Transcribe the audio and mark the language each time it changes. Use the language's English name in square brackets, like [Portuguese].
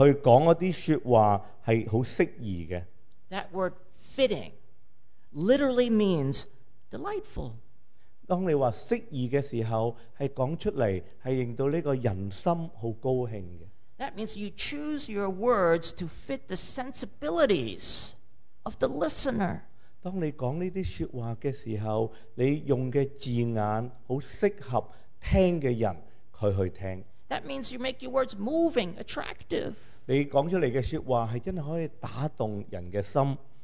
[Chinese] 他说他讲的那些说话是很适宜的。 [English] That word fitting literally means delightful. [Chinese] 当你说适宜的时候,是讲出来,是令到这个人心很高兴的。 [English] That means you choose your words to fit the sensibilities of the listener. [Chinese] 当你讲这些说话的时候, 你用的字眼很适合听的人, 他去听。 [English] That means you make your words moving, attractive. [Chinese] 你讲出来的说话是真的可以打动人的心。